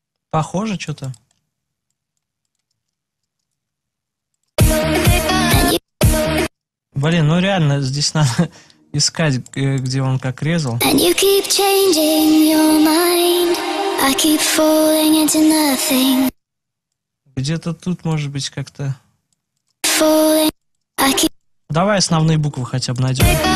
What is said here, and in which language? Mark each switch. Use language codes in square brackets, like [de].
[ru] Похоже что-то. Блин, ну реально, здесь надо искать, где он как резал. [en] And you keep changing your mind. I keep falling into nothing. [ru] Где-то тут, может быть, как-то... Давай основные буквы хотя бы найдем.